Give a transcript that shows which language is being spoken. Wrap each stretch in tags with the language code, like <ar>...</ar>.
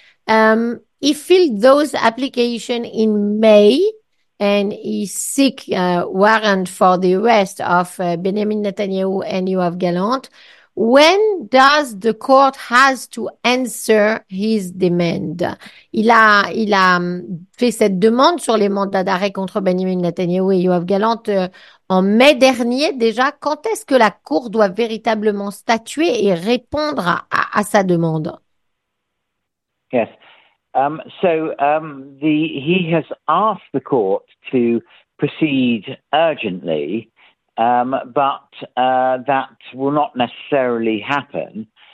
<en>He filed those applications in May and he seek a warrant for the arrest of Benjamin Netanyahu and Yoav Gallant. When does the court has to answer his demand?</en> <fr>Il a fait cette demande sur les mandats d'arrêt contre Benjamin Netanyahu et Yoav Gallant en mai dernier déjà. Quand est-ce que la Cour doit véritablement statuer et répondre à sa demande?</fr> <en>Yes. He has asked the court to proceed urgently. That will not necessarily happen.</en>